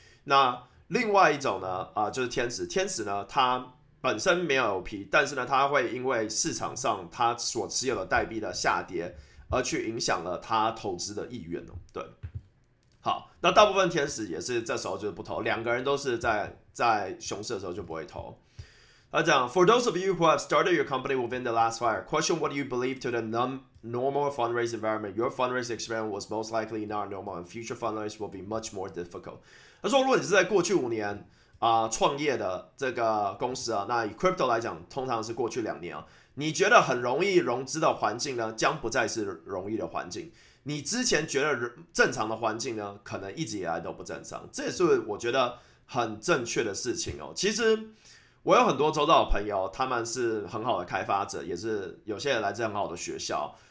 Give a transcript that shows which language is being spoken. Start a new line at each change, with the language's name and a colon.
Chinese: 那另外一种呢，就是天使。天使呢，它本身没有 LP，但是呢，它会因为市场上它所持有的代币的下跌，而去影响了它投资的意愿哦。对，好，那大部分天使也是这时候就是不投，两个人都是在熊市的时候就不会投。他讲，
English: For those of you who have started your company within the last year, question what you believe to the normal fundraise environment. Your fundraise experience was most likely not normal, and future fundraise will be much more difficult.
Chinese: 他说，如果你是在过去5年创业的这个公司啊，那以 crypto 来讲，通常是过去2年啊，你觉得很容易融资的环境呢，将不再是容易的环境。你之前觉得正常的环境呢，可能一直以来都不正常。这也是我觉得很正确的事情哦。其实我有很多周遭的朋友，他们是很好的开发者，也是有些人来自很好的学校。